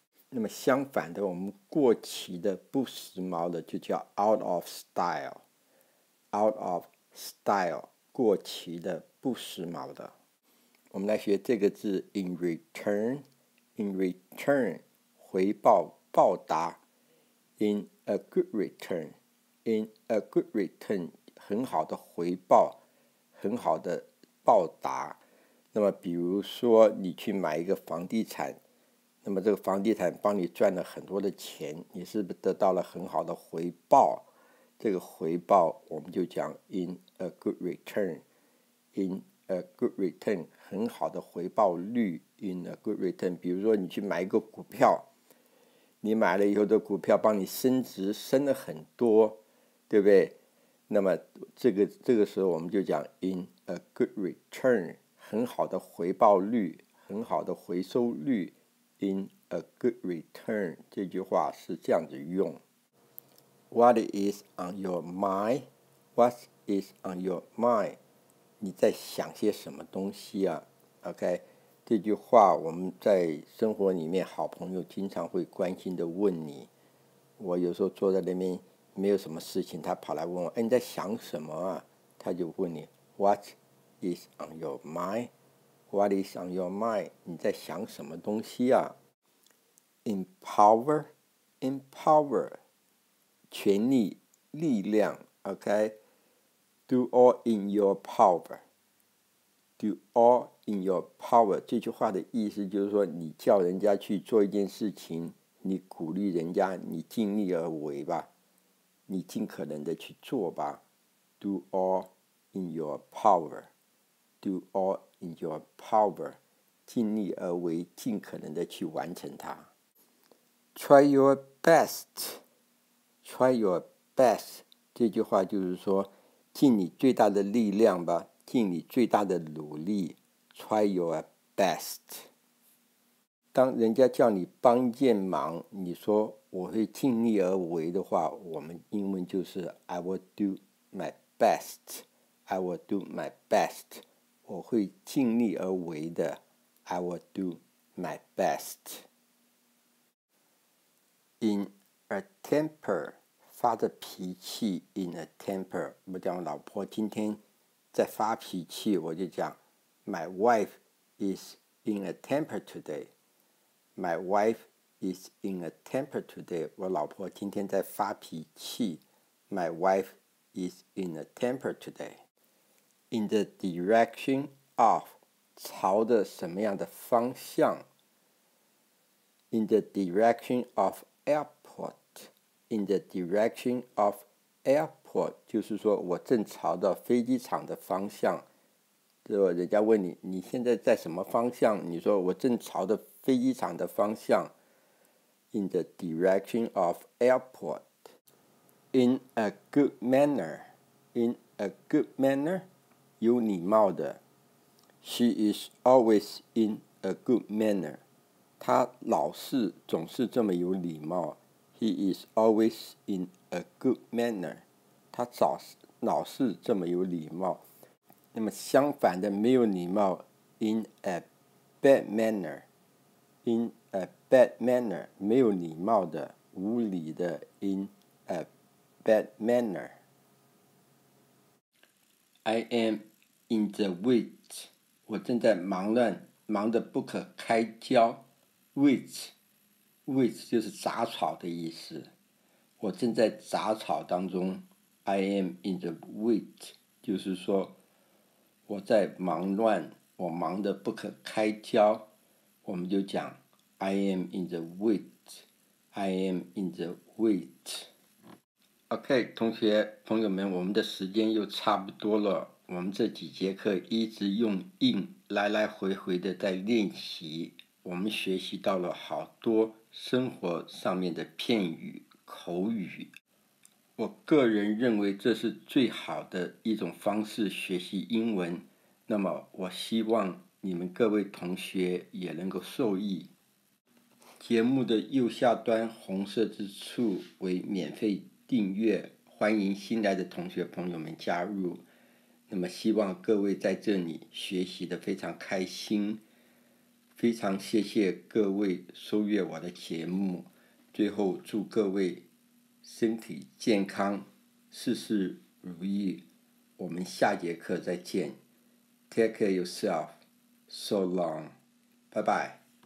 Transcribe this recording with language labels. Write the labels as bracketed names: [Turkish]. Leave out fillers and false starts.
[Chinese] 那么相反的，我们过期的不时髦的就叫 [English] out of style， out of style， [Chinese] 过期的不时髦的。我们来学这个字 [English] in return， in return， [Chinese] 回报报答。 [English] In a good return， in a good return， [Chinese] 很好的回报，很好的报答。那么比如说你去买一个房地产，那么这个房地产帮你赚了很多的钱，你是不是得到了很好的回报？这个回报我们就讲 [English] in a good return， in a good return， [Chinese] 很好的回报率， in a good return。比如说你去买一个股票，你买了以后的股票帮你升值，升了很多，对不对？那么这个时候我们就讲 [English] in a good return， [Chinese] 很好的回报率，很好的回收率。 [English] In a good return， [Chinese] 这句话是这样子用。 [English] What is on your mind? What is on your mind? [Chinese] 你在想些什么东西啊？ OK， 这句话我们在生活里面好朋友经常会关心的问你。我有时候坐在那边没有什么事情，他跑来问我，哎，你在想什么啊？他就问你 [English] What is on your mind? What is on your mind? [Chinese] 你在想什么东西啊？ [English] Empower， empower， [Chinese] 权力，力量。 OK， [English] Do all in your power， Do all in your power， [Chinese] 这句话的意思就是说，你叫人家去做一件事情，你鼓励人家，你尽力而为吧，你尽可能的去做吧。 [English] Do all in your power， Do all in your power， [Chinese] 尽力而为，尽可能的去完成它。 [English] Try your best， Try your best， [Chinese] 这句话就是说尽你最大的力量吧，尽你最大的努力。 [English] Try your best， [Chinese] 当人家叫你帮一件忙，你说我会尽力而为的话，我们英文就是 [English] I will do my best， I will do my best， [Chinese] 我会尽力而为的。 [English] I will do my best。 In a temper， [Chinese] 发着脾气。 [English] In a temper， [Chinese] 我讲我老婆今天在发脾气，我就讲 [English] My wife is in a temper today， My wife is in a temper today， [Chinese] 我老婆今天在发脾气。 [English] My wife is in a temper todayIn the direction of， [Chinese] 朝的什么样的方向。 [English] In the direction of airport， In the direction of airport， [Chinese] 就是说我正朝到飞机场的方向。人家问你，你现在在什么方向，你说我正朝的飞机场的方向。 [English] In the direction of airport。 In a good manner， In a good manner， [Chinese] 有礼貌的。 [English] She is always in a good manner， [Chinese] 她老是总是这么有礼貌。 [English] He is always in a good manner， [Chinese] 她老是这么有礼貌。那么相反的，没有礼貌， [English] In a bad manner， In a bad manner， [Chinese] 没有礼貌的，无礼的。 [English] In a bad manner。 I amIn the wait， [Chinese] 我正在忙乱，忙得不可开交。 Wait 就是杂草的意思，我正在杂草当中。 [English] I am in the wait， [Chinese] 就是说我在忙乱，我忙得不可开交。我们就讲 [English] I am in the wait， I am in the wait。 [Chinese] OK， 同学朋友们，我们的时间又差不多了。我们这几节课一直用 in 来来回回的在练习，我们学习到了好多生活上面的片语口语。我个人认为这是最好的一种方式学习英文。那么我希望你们各位同学也能够受益。节目的右下端红色之处为免费订阅，欢迎新来的同学朋友们加入。那么希望各位在这里学习得非常开心，非常谢谢各位收阅我的节目。最后祝各位身体健康，事事如意。我们下节课再见。 [English] Take care yourself. So long. Bye-bye.